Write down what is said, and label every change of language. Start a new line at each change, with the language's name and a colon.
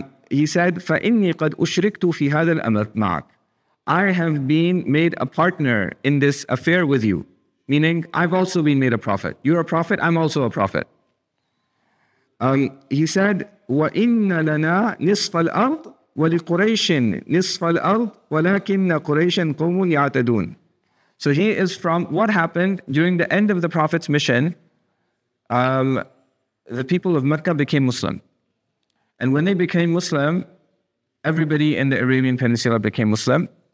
English: He said,
Arabic: فَإِنِّي قَدْ أُشْرِكْتُ فِي هَذَا الْأَمْرِ مَعَكَ.
English: I have been made a partner in this affair with you. Meaning, I've also been made a prophet. You're a prophet, I'm also a prophet. He said,
Arabic: وَإِنَّ لَنَا نِصْفَ الْأَرْضِ وَلِقُرَيْشٍ نِصْفَ الْأَرْضِ وَلَكِنَّ قُرَيْشٍ قُومٌ يَعْتَدُونَ.
English: So he is from what happened during the end of the Prophet's mission. The people of Mecca became Muslim. And when they became Muslim, everybody in the Arabian Peninsula became Muslim.